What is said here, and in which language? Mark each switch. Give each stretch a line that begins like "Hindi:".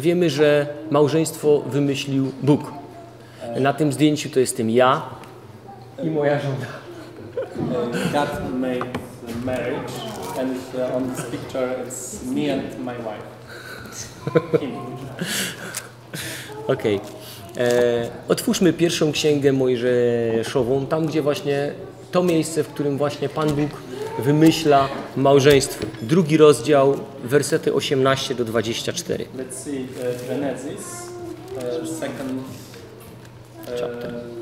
Polish: Wiemy, że małżeństwo wymyślił Bóg. Na tym zdjęciu to jestem ja i moja żona.
English: God made marriage, and on this picture it's me and my wife.
Polish: Okej. Otwórzmy pierwszą księgę Mojżeszową, tam gdzie właśnie to miejsce, w którym właśnie Pan Bóg wymyśla małżeństwo. Drugi rozdział, wersety 18-24.
English: Let's see Genesis, second chapter.